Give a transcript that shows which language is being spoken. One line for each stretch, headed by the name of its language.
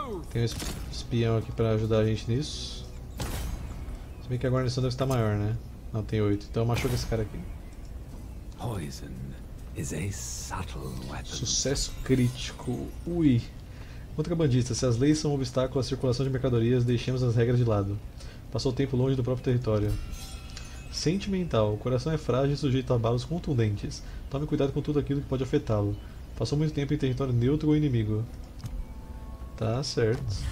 Portuguese: Tem um espião aqui pra ajudar a gente nisso. Se bem que a guarnição deve estar maior, né? Não, tem 8. Então machuca esse cara aqui.
English: poison is a subtle weapon.
Portuguese: Sucesso crítico. Ui. Contrabandista, se as leis são um obstáculo à circulação de mercadorias, deixemos as regras de lado. Passou tempo longe do próprio território. Sentimental, o coração é frágil e sujeito a abalos contundentes. Tome cuidado com tudo aquilo que pode afetá-lo. Passou muito tempo em território neutro ou inimigo. Tá certo.